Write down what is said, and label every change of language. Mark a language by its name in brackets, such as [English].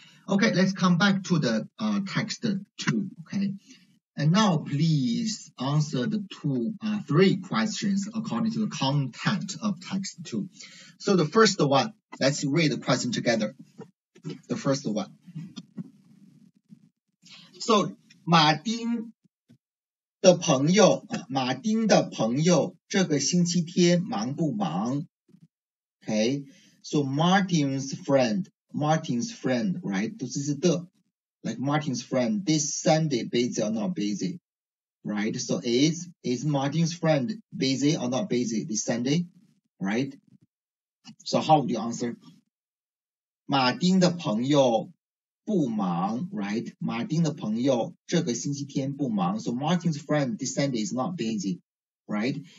[English] Okay, let's come back to the text 2. Okay? And now please answer the three questions according to the content of text 2. So the first one, let's read the question together. The first one. [Chinese] So, 马丁 的朋友，马丁的朋友，这个星期天忙不忙? [English] Okay, so Martin's friend, right? This is the, like Martin's friend, this Sunday busy or not busy, right? So is Martin's friend busy or not busy this Sunday, right? So how would you answer? [Chinese] 马丁的朋友 不忙, [English] right? [Chinese] 马丁的朋友这个星期天不忙. [English] So Martin's friend this Sunday is not busy, right?